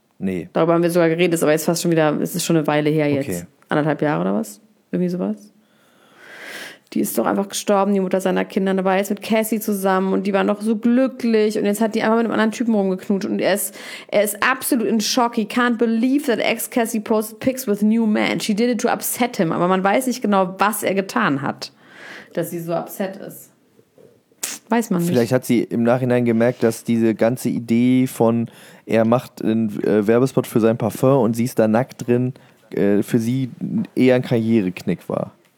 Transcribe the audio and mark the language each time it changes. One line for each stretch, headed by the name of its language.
German: Nee. Darüber haben wir sogar geredet, aber jetzt fast schon wieder, es ist schon eine Weile her jetzt. Okay. 1,5 Jahre oder was? Irgendwie sowas. Die ist doch einfach gestorben, die Mutter seiner Kinder. Da war jetzt mit Cassie zusammen und die waren doch so glücklich. Und jetzt hat die einfach mit einem anderen Typen rumgeknutscht. Und er ist absolut in Schock.
English: He can't believe that ex-Cassie posted pics with new man. She did it to upset him.
German: Aber man weiß nicht genau, was er getan hat. Dass sie so upset ist. Weiß man nicht. Vielleicht hat sie im Nachhinein gemerkt, dass diese ganze Idee von, er macht einen Werbespot für sein Parfum und sie ist da nackt drin, für sie eher ein Karriereknick war.